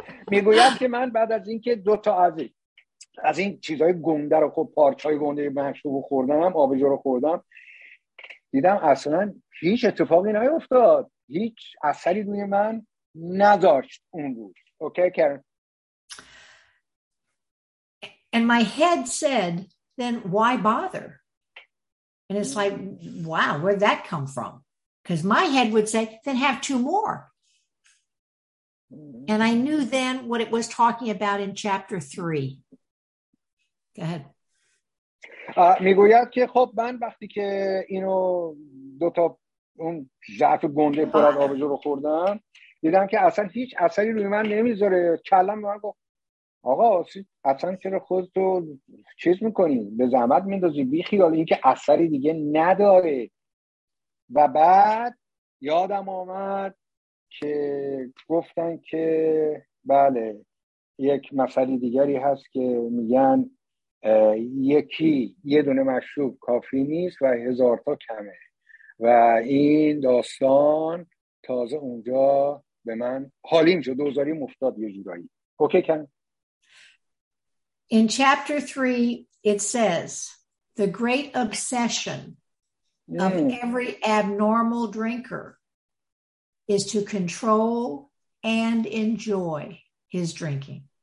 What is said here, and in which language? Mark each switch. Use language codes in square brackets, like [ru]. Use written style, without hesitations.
[fa] میگویم که من بعد از اینکه دو تا از این چیزهای گنده رو خب پارچ‌های گنده مشروب رو خوردم، آبجو رو خوردم، دیدم اصلا هیچ اتفاقی نیفتاد، هیچ اثری روی من نداشت اون روز. اوکی کارن. [en] And my head said, then why bother? And it's like, wow, where'd that come from? Because my head would say, then have two more. Mm-hmm. And I knew then what it was talking about in chapter 3. Go ahead. [fa] میگوید که خب من وقتی که اینو دو تا اون ظرف گنده پر از آبجو رو خوردم دیدم که اصلا هیچ اثری روی من نمیذاره، کلم به من گفت آقا اصلا چرا خودتو چیز میکنی، به زحمت میندازی، بی خیال اینکه اثری دیگه نداره. و بعد یادم آمد که گفتن که بله یک مسئله دیگری هست که میگن یکی یه دونه مشروب کافی نیست و هزارتا کمه، و این داستان تازه اونجا به من حالیم شد، دوزاری مفتاد یه جورایی. اوکی کن. [en] In chapter 3 it says the great obsession of every abnormal drinker is to control and enjoy his drinking.